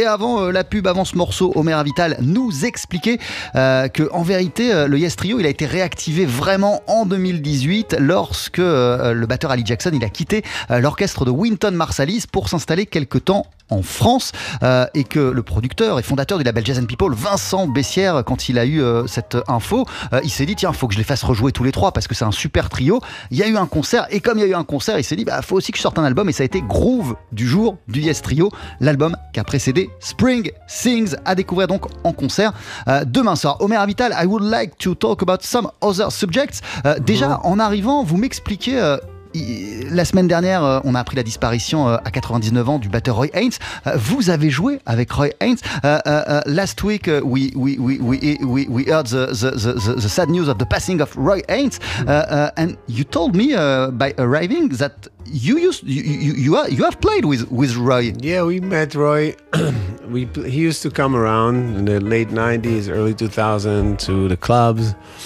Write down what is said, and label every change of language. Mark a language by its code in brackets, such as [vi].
[fr] Et avant la pub, avant ce morceau, Omer Avital nous expliquait qu'en vérité, le Yes Trio, il a été réactivé vraiment en 2018 lorsque le batteur Ali Jackson, il a quitté l'orchestre de Wynton Marsalis pour s'installer quelques temps en France et que le producteur et fondateur du label Jazz and People, Vincent Bessière, quand il a eu cette info, il s'est dit tiens, faut que je les fasse rejouer tous les trois parce que c'est un super trio. Il y a eu un concert et comme il y a eu un concert, il s'est dit bah faut aussi que je sorte un album et ça a été Groove du jour du Yes Trio, l'album qui a précédé Spring Sings, à découvrir donc en concert demain soir. [en] Omer Avital, I would like to talk about some other subjects. [fr] Déjà, en arrivant, vous m'expliquez la semaine dernière, on a appris la disparition à 99 ans du batteur Roy Haynes. Vous avez joué avec Roy Haynes. [en] Last week, we heard the sad news of the passing of Roy Haynes, and you told me by arriving that you have played with Roy. Yeah, we met Roy. he used to come around in the late 90s, early 2000 to the clubs.